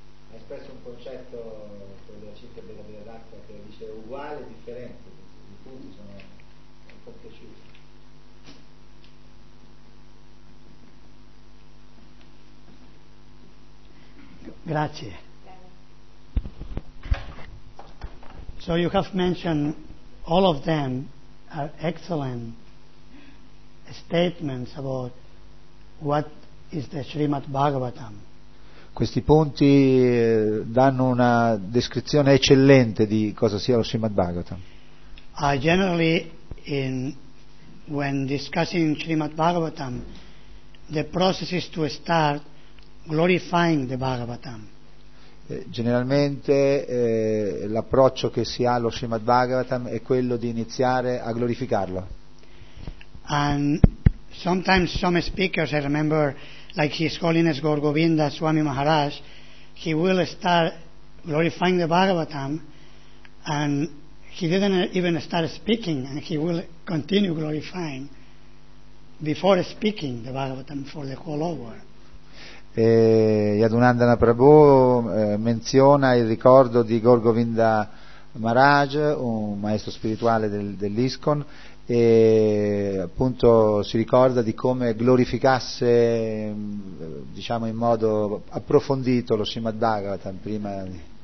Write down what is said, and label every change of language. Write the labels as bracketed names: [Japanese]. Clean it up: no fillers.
[Italian] Hai espresso un concetto della cinque della Via d'Acqua che dice uguale e differente, i punti sono un po' piaciuti. Grazie. [English] So you have mentioned all of them are excellent statements about what is the Srimad Bhagavatam. [Italian] Questi punti danno una descrizione eccellente di cosa sia lo Srimad Bhagavatam. [English] Generally, in when discussing Srimad Bhagavatam, the process is to start glorifying the Bhagavatam. [Italian] Generalmente l'approccio che si ha allo Srimad Bhagavatam è quello di iniziare a glorificarlo. [English] And sometimes some speakers, I remember, like His Holiness Gaura Govinda Swami Maharaj, he will start glorifying the Bhagavatam and he didn't even start speaking, and he will continue glorifying before speaking the Bhagavatam for the whole hour. [Italian] Yadunandana Prabhu menziona il ricordo di Gaura Govinda Maharaj, un maestro spirituale dell'ISKCON, e appunto si ricorda di come glorificasse, diciamo, in modo approfondito lo Srimad Bhagavatam prima di...